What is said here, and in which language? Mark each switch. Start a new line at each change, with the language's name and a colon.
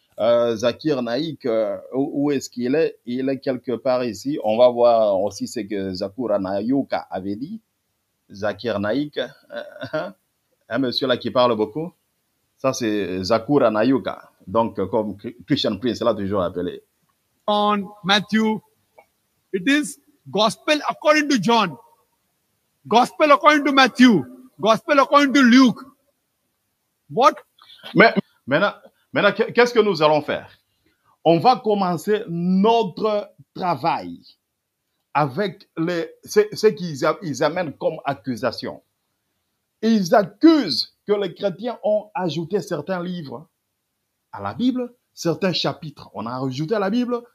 French: Zakir Naik, où est-ce qu'il est? Il est quelque part ici. On va voir aussi ce que Zakura Nayuka avait dit. Zakir Naik, un monsieur là qui parle beaucoup. Ça, c'est Zakura Nayuka. Donc, comme Christian Prince l'a toujours appelé.
English: On Matthew, it is gospel according to John, gospel according to Matthew, gospel according to Luke. What?
French: Mais maintenant, qu'est-ce que nous allons faire? On va commencer notre travail avec ce qu'ils amènent comme accusation. Ils accusent que les chrétiens ont ajouté certains livres à la Bible, certains chapitres. On a ajouté à la Bible.